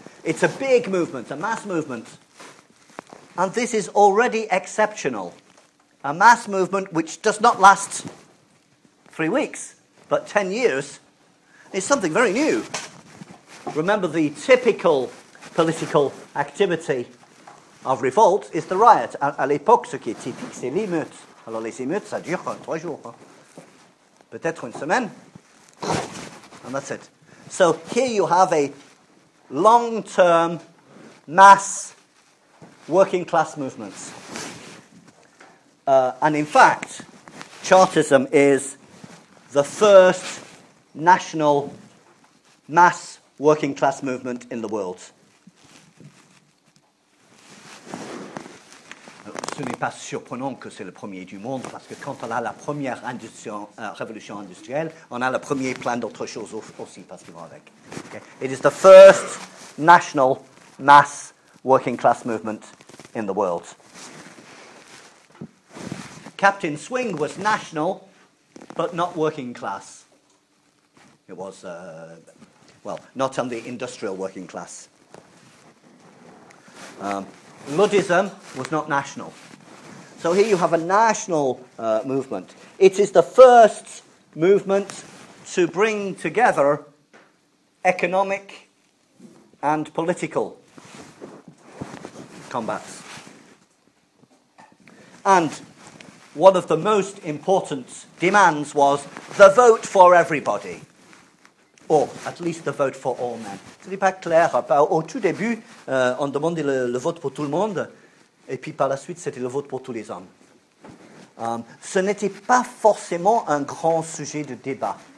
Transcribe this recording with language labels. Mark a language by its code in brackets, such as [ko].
[en] It's a big movement, a mass movement. And this is already exceptional. A mass movement which does not last 3 weeks, but 10 years, is something very new. Remember, the typical political activity of revolt is the riot. [fr] À l'époque, ce qui est typique, c'est l'émeute. Alors les émeutes, ça dure 3 jours. Hein? Peut-être une semaine. [en] And that's it. So here you have a long-term, mass, working-class movements. And in fact, Chartism is the first national mass working class movement in the world. [fr] Ce n'est pas surprenant que c'est le premier du monde, parce que quand on a la première révolution industrielle, on a le premier plein d'autres choses aussi, parce qu'ils vont avec. [en] Okay. It is the first national mass working class movement in the world. Captain Swing was national, but not working class. It was, not on the industrial working class. Luddism was not national. So here you have a national movement. It is the first movement to bring together economic and political combats. And one of the most important demands was the vote for everybody. Or at least the vote for all men. [fr] Ce n'est pas clair. Au tout début, on demandait le vote pour tout le monde. Et puis par la suite, c'était le vote pour tous les hommes. Ce n'était pas forcément un grand sujet de débat.